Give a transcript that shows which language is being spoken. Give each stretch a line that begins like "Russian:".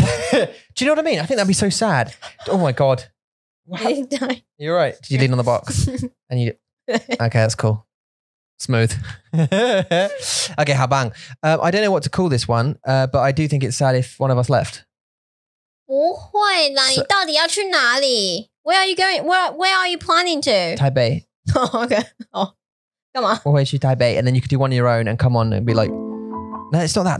English: Do you know what I mean? I think that'd be so sad. Oh my God. You're right. Did you lean on the box? And you... Okay, that's cool. Smooth. Okay, habang. I don't know what to call this one, but I do think it's sad if one of us left.
Chinese: 不会啦, 你到底要去哪里?
English: Where are you going? Where are you planning to?
Chinese: 台北.
English: Oh, okay. Oh,
Chinese: 干嘛? 我会去台北,
English: and then you could do one on your own and come on and be like, no, it's not that.